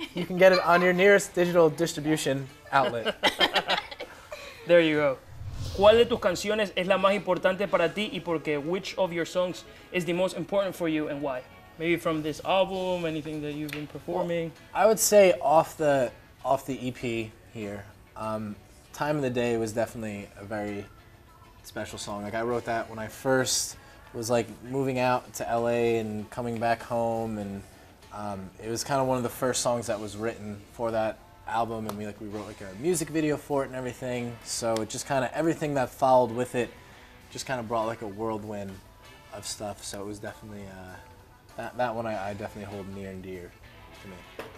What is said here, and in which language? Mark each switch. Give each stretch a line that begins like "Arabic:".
English: You can get it on your nearest digital distribution outlet. There you go.
Spanish: ¿Cuál de tus canciones es la más importante para ti y por qué?
English: Which of your songs is the most important for you and why? Maybe from this album, anything that you've been performing? Well, I would say off the EP here, Time of the Day was definitely a very special song. Like I wrote that when I first was like moving out to LA and coming back home, and it was kind of one of the first songs that was written for that album, and we wrote like a music video for it and everything, so it just kind of everything that followed with it just kind of brought like a whirlwind of stuff, so it was definitely that one I definitely hold near and dear to me.